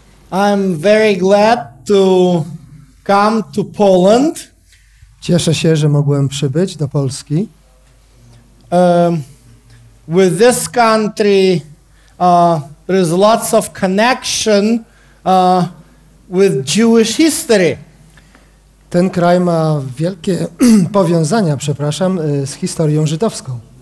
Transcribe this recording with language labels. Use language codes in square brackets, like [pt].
[en] I'm very glad to come to Poland. [pl] Cieszę się, że mogłem przybyć do Polski. [en] With this country, there's lots of connection with Jewish history. [pl] Ten kraj ma wielkie powiązania, przepraszam, z historią żydowską.